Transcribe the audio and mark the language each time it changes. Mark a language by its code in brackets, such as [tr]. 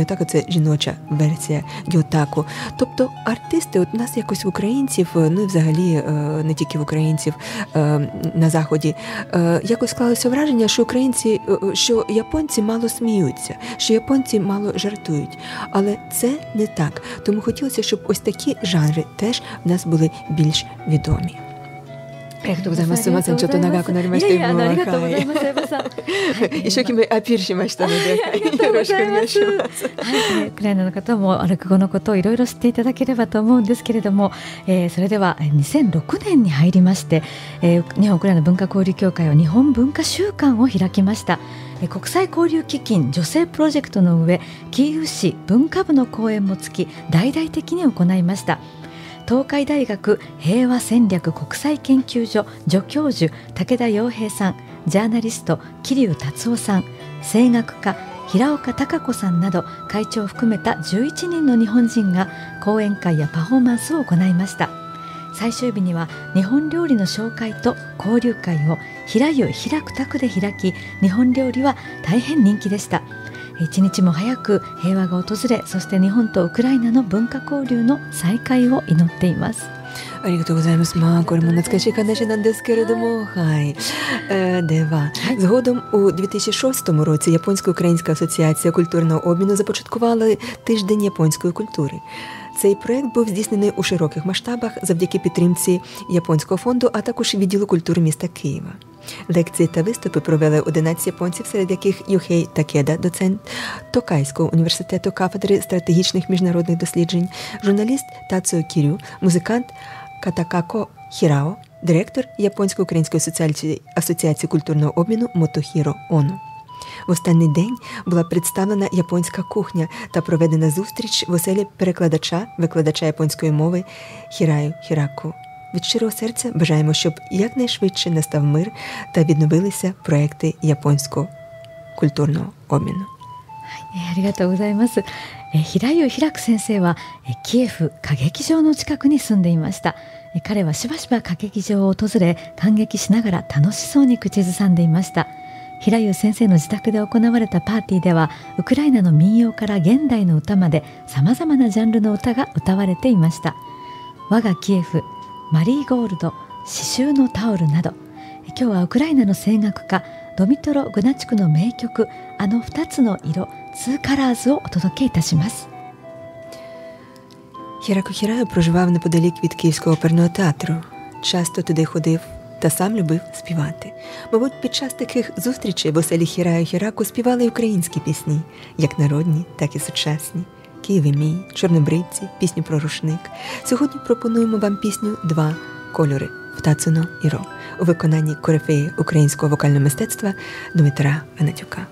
[uk] Ньотаку – це жіноча версія гьотаку. Тобто артисти, от у нас якось в українців, ну і взагалі не тільки в українців на заході, якось склалося враження, що українці, що японці мало сміються, що японці мало жартують. Але це не так. Тому хотілося, щоб ось такі жанри теж в нас були більш відомі. Ехто взаємо з цима, що то нагаку нарімаште і була хай. І що кіми апірші маєшта на дека. Ехто взаємо з цима. [ja] Україна の方も落語のことをいろいろ知っていただければと思うんですけれども、それでは2006年に入りまして、日本ウクライナ文化交流協会は日本文化週間を開きました。国際交流基金女性プロジェクトの上、キーウ市文化部の講演もつき大々的に行いました。東海大学平和戦略国際研究所助教授武田洋平さん、ジャーナリスト桐生達夫さん、声楽家平岡貴子さんなど会長を含めた11人の日本人が講演会やパフォーマンスを行いました。最終日には日本料理の紹介と交流会を平湯平久宅で開き、日本料理は大変人気でした。一日も早く平和が訪れ、そして日本とウクライナの文化交流の再開を祈っています。ありがとうございます。まあ、これも懐かしい話なんですけれども、はい。では、 [uk] згодом у 2006 році Японсько-Українська асоціація культурного обміну започаткувала тиждень японської культури. Цей проєкт був здійснений у широких масштабах завдяки підтримці Японського фонду, а також відділу культури міста Києва. Лекції та виступи провели 11 японців, серед яких Юхей Такеда, доцент Токайського університету кафедри стратегічних міжнародних досліджень, журналіст Тацуо Кірю, музикант Катакако Хірао, директор Японсько-Української асоціації культурного обміну Мотохіро Оно. В останній день була представлена японська кухня та проведена зустріч в оселі перекладача, викладача японської мови Хіраю Хіраку. Від щирого серця бажаємо, щоб якнайшвидше настав мир та відновилися проекти японського культурного обміну. [ja] ありがとうございます。平湯平久先生はキエフ歌劇場の近くに住んでいました。彼はしばしば歌劇場を訪れ、感激しながら楽しそうに口ずさんでいました。平湯先生の自宅で行われたパーティーでは、ウクライナの民謡から現代の歌まで様々なジャンルの歌が歌われていました。我がキエフ、マリーゴールド、刺繍のタオルなど。今日はウクライナの声楽家ドミトロ・グナチュクの名曲あの2つの色ツーカラーズをお届けいたします。 [uk] Хіраку Хіраю проживав неподалік від Київського оперного театру. Часто туди ходив та сам любив співати. Мабуть, під час таких зустрічей в оселі Хіраю Хіраку співали й українські пісні, як народні, так і сучасні. «Києві мій», «Чорнобривці», «Пісню про рушник». Сьогодні пропонуємо вам пісню «Два кольори» «Втацино» і «Ро» у виконанні корифеї українського вокального мистецтва Дмитра Гнатюка.